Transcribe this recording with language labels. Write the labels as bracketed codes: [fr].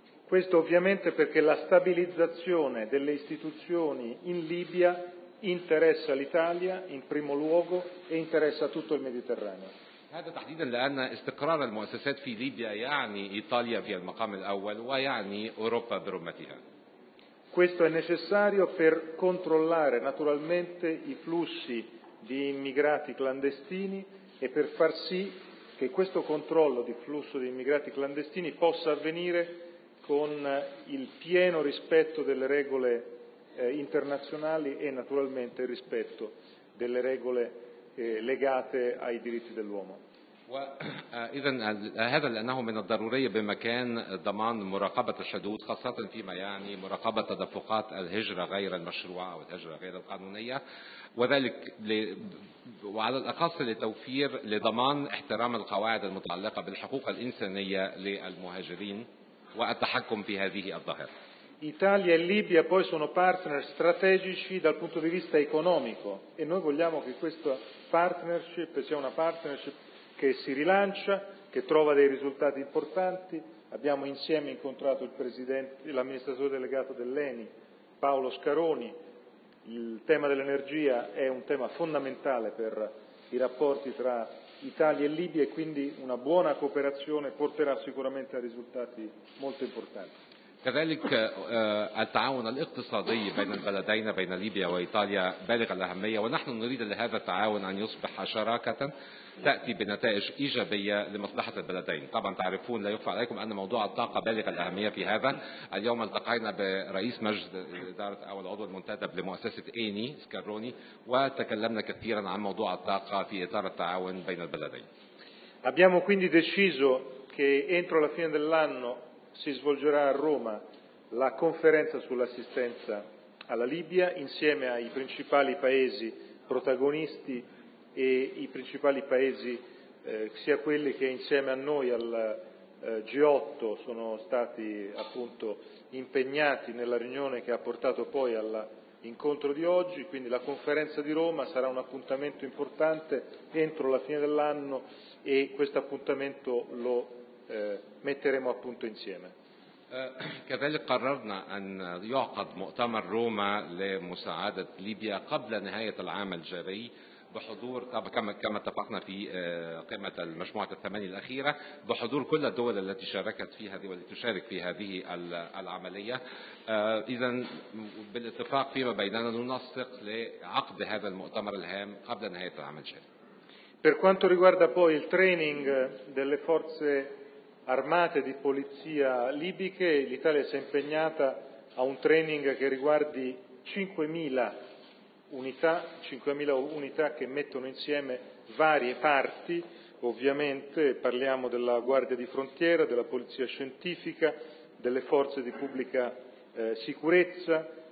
[it] Questo ovviamente perché la stabilizzazione delle istituzioni in Libia interessa l'Italia in primo luogo e interessa tutto il Mediterraneo. [ar] هذا تحديدا لأن استقرار المؤسسات في ليبيا يعني إيطاليا في المقام الأول ويعني أوروبا برمتها. [it] Questo è necessario per controllare naturalmente i flussi di immigrati clandestini e per far sì che questo controllo di flusso di immigrati clandestini possa avvenire con il pieno rispetto delle regole internazionali e naturalmente il rispetto delle regole legate ai diritti dell'uomo. [ar] إذن هذا لأنه من الضروري بمكان ضمان مراقبة الحدود خاصة فيما يعني مراقبة تدفقات الهجرة غير المشروعة أو الهجرة غير القانونية وذلك وعلى الأقل لتوفير لضمان احترام القواعد المتعلقة بالحقوق الإنسانية للمهاجرين والتحكم في هذه الظاهرة. إيطاليا وليبيا [it] poi sono partner strategici dal punto di vista economico e noi vogliamo che questa partnership sia una partnership che si rilancia, che trova dei risultati importanti. Abbiamo insieme incontrato il presidente, l'amministratore delegato dell'ENI, Paolo Scaroni. Il tema dell'energia è un tema fondamentale per i rapporti tra Italia e Libia e quindi una buona cooperazione porterà sicuramente a risultati molto importanti. [ar] كذلك التعاون الاقتصادي بين البلدين بين ليبيا وإيطاليا بالغ الأهمية ونحن نريد لهذا التعاون أن يصبح شراكة تأتي بنتائج إيجابية لمصلحة البلدين. طبعا تعرفون لا يخفى عليكم أن موضوع الطاقة بالغ الأهمية في هذا. اليوم التقينا برئيس مجلس الإدارة أو العضو المنتدب لمؤسسة إيني سكاروني وتكلمنا كثيرا عن موضوع الطاقة في إطار التعاون بين البلدين. [it] Abbiamo quindi deciso che entro la fine dell'anno si svolgerà a Roma la conferenza sull'assistenza alla Libia insieme ai principali paesi protagonisti e i principali paesi, sia quelli che insieme a noi al G8 sono stati appunto impegnati nella riunione che ha portato poi all'incontro di oggi. Quindi la conferenza di Roma sarà un appuntamento importante entro la fine dell'anno e questo appuntamento lo metteremo a punto insieme. [ar] كذلك قررنا أن يعقد مؤتمر روما لمساعدة ليبيا قبل نهاية العام الجاري بحضور كما اتفقنا في قمة المجموعة الثمانية الأخيرة بحضور كل الدول التي شاركت في هذه والتي تشارك في هذه العملية. إذن بالاتفاق فيما بيننا ننسق لعقد هذا المؤتمر الهام قبل نهاية العام الجاري. [it] Per quanto riguarda poi il training delle forze armate di polizia libiche, l'Italia si è impegnata a un training che riguardi 5.000 unità che mettono insieme varie parti, ovviamente parliamo della Guardia di Frontiera, della Polizia Scientifica, delle forze di pubblica sicurezza,